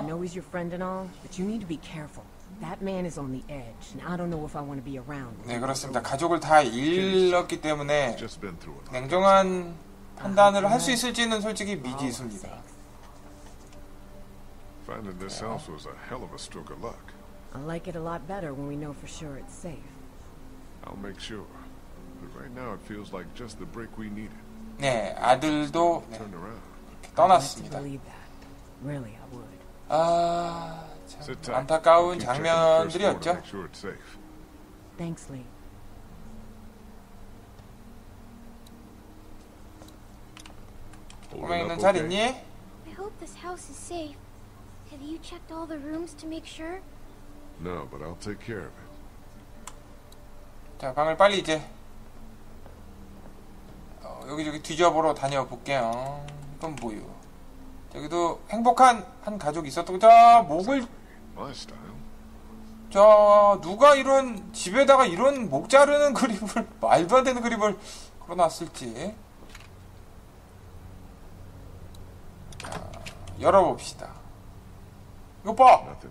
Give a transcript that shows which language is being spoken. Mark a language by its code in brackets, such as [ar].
[en] I know he's your friend and all, but you need to be careful. That man is on the edge, and I don't know if I want to be around. [ko] 네, 그렇습니다. 가족을 다 잃었기 때문에 냉정한 판단을 할 수 있을지는 솔직히 미지수입니다. [en] Finding this house was a hell of a stroke of luck. I like it a lot better when we know for sure it's safe. I'll make sure. But right now it feels like just the break we needed. [ko] 네, 아들도 떠났습니다. [en] Really, I would. [ko] 아, 참 안타까운 장면들이었죠. [en] Thanks, Lee. [ko] 꼬맹이는 잘 있니? [en] I hope this house is safe. Have you checked all the rooms to make sure? No, but I'll take care of it. [ko] 자, 방을 빨리 이제 여기저기 뒤져보러 다녀볼게요. 이건 뭐요? 여기도 행복한 한 가족이 있었던 거죠. 목을 자, 누가 이런 집에다가 이런 목 자르는 그림을 말도 안 되는 그림을 걸어놨을지 열어봅시다. 이거 봐!